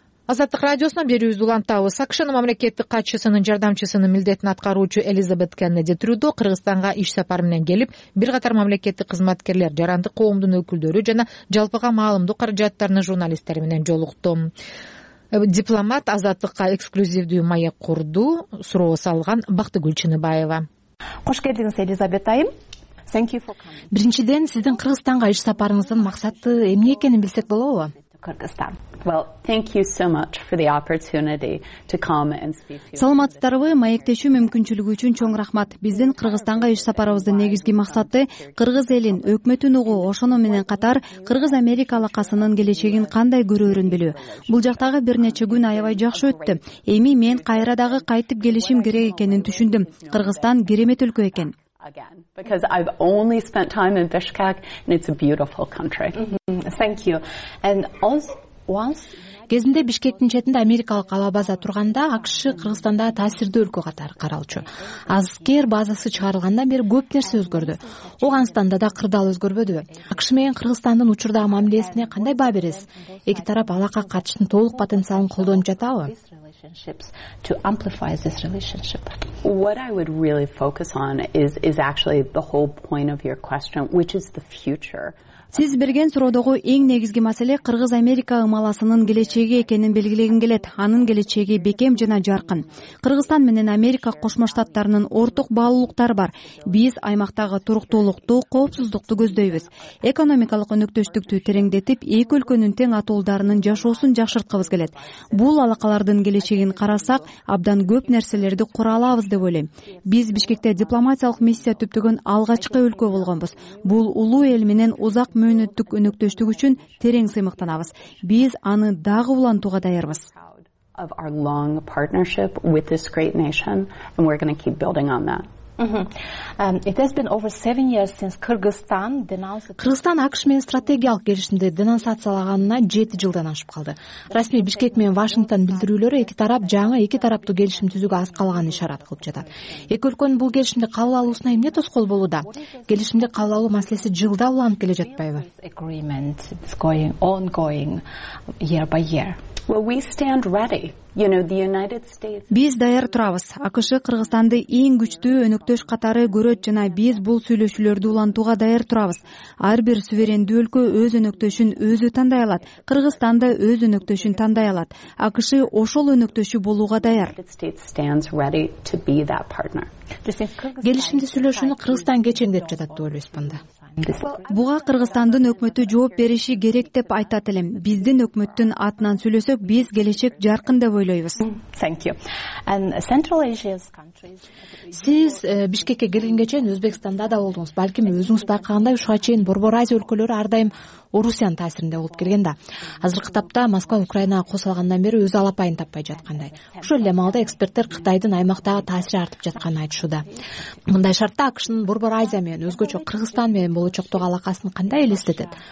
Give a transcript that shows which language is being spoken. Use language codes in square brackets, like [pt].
[ky] Азаттык радиосуна берүүбүздү улантабыз. АКШнын мамлекеттик катчысынын жардамчысынын милдетин аткаруучу Элизабет Кеннеди Трюдо Кыргызстанга иш сапары менен келип, бир катар мамлекеттик кызматкерлер, жарандык коомдун өкүлдөрү жана жалпыга маалымдуу каражаттарынын журналисттери менен жолукту. Дипломат Азаттыкка эксклюзивдүү маек курду, суроо салган Бактыгүл Чыныбаева. Кош келдиңиз, Элизабет айым. [en] Thank you for coming. [ky] Биринчиден сиздин Кыргызстанга иш сапарыңыздын максаты эмне экенин билсек болобу? Кыргызстан. [en] Well, thank you so much for the opportunity to come and speak to you. [ky] Саламатсыздарбы, маектешүү мүмкүнчүлүгү үчүн чоң рахмат. Биздин Кыргызстанга иш сапарыбыздын негизги максаты кыргыз элин, өкмөтүн угуу, ошону менен катар кыргыз Америка алакасынын келечегин кандай көрөрүн билүү. Бул жактагы бир нече күн аябай жакшы өттү. Эми мен кайра дагы кайтып келишим керек экенин түшүндүм. Кыргызстан керемет өлкө экен. [en] Again, because I've only spent time in Bishkek and it's a beautiful country. Thank you. And once [ky] кезинде Бишкектин четинде америкалык ала база турганда АКШ Кыргызстанда таасирдүү өлкө катары каралчу. Аскер базасы чыгарылгандан бери көп нерсе өзгөрдү. Ооганстанда да кырдаал өзгөрбөдүбү? АКШ менен Кыргызстандын учурдагы мамилесине кандай баа бересиз? Эки тарап алака катыштын толук потенциалын колдонуп жатабы? [en] To amplify this relationship. What I would really focus on is actually the whole point of your question, which is the future. [ky] Сиз берген суроодогу эң негизги маселе кыргыз Америка ымаласынын келечеги экенин белгилегим келет. Анын келечеги бекем жана жаркын. Кыргызстан менен Америка Кошмо Штаттарынын ортак баалуулуктары бар. Биз аймактагы туруктуулукту, коопсуздукту көздөйбүз. Экономикалык өнөктөштүктү тереңдетип, эки өлкөнүн тең атуулдарынын жашоосун жакшырткыбыз келет. Бул алакалардын келечегин карасак, абдан көп нерселерди кура алабыз деп ойлойм. Биз Бишкекте дипломатиялык миссия түптөгөн алгачкы өлкө болгонбуз. Бул улуу эл менен узак мөөнөттүк өнөктөштүк үчүн терең сыймыктанабыз. Биз аны дагы улантууга даярбыз. [en] Of our long partnership with this great nation and we're going to keep building on that. It has been over 7 years since Kyrgyzstan denounced [ky] Кыргызстан АКШ менен стратегиялык келишимди денонсациялаганына 7 жылдан ашып калды. Расмий Бишкек менен Вашингтон билдирүүлөрү эки тарап жаңы эки тараптуу келишим түзүүгө аз калган ишарат кылып жатат. Эки өлкөнүн бул келишимди кабыл алуусуна эмне тоскоол болууда? Келишимди кабыл алуу маселеси жылда уланып келе жатпайбы? [en] Agreement is going ongoing year by year. Well, we stand ready. [ky] Биз даяр турабыз. АКШ Кыргызстанды эң күчтүү өнөктөш катары көрөт жана биз бул сүйлөшүүлөрдү улантууга даяр турабыз. Ар бир суверендүү өлкө өз өнөктөшүн өзү тандай алат. Кыргызстан да өз өнөктөшүн тандай алат. АКШ ошол өнөктөшү болууга даяр. Келишимди сүйлөшүүнү Кыргызстан кечиндеп жатат деп ойлойсуңбу анда? Буга Кыргызстандын өкмөтү жооп бериши керек деп айтат элем. Биздин өкмөттүн атынан сүйлөсөк, биз келечек жаркын деп ойлойбуз. [en] Thank you. And Central Asia's countries. [ky] Сиз Бишкекке келгенге чейин Өзбекстанда да болдуңуз. Балким өзүңүз байкагандай ушуга чейин Борбор Азия өлкөлөрү ар дайым Орусиянын таасиринде болуп келген да. Азыркы тапта Москва Украинага кошо алгандан бери өз алапайын таппай жаткандай. Ошол эле маалда эксперттер Кытайдын аймактагы таасири артып жатканын айтышууда. Мындай шартта АКШнын Борбор Азия менен өзгөчө Кыргызстан менен болочоктогу алакасын кандай элестетет?